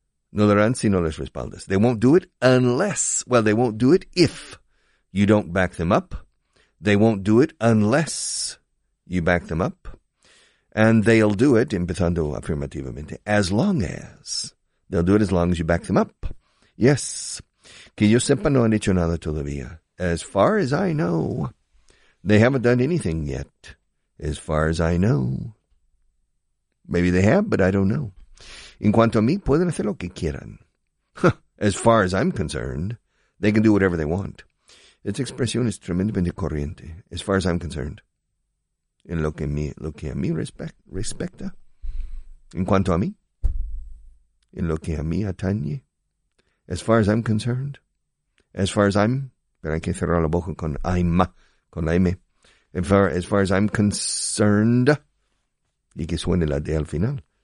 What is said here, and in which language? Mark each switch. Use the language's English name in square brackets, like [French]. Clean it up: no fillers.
[Spanish] No lo harán si no les respaldas. [English] They won't do it unless. Well, they won't do it if you don't back them up. They won't do it unless you back them up. And they'll do it, [Spanish] empezando afirmativamente, [English] as long as. They'll do it as long as you back them up. Yes. [Spanish] Que yo sepa, no han hecho nada todavía. [English] As far as I know, they haven't done anything yet. As far as I know. Maybe they have, but I don't know. [Spanish] En cuanto a mí, pueden hacer lo que quieran. [English] As far as I'm concerned, they can do whatever they want. [Spanish] Esta expresión es tremendamente corriente. [English] As far as I'm concerned. [Spanish] En lo que a mí respecta, en cuanto a mí, en lo que a mí atañe, [English] as far as I'm concerned, [Spanish] as far as I'm, pero hay que cerrar la boca con I'm, con la M, as far as I'm concerned, y que suene la D al final.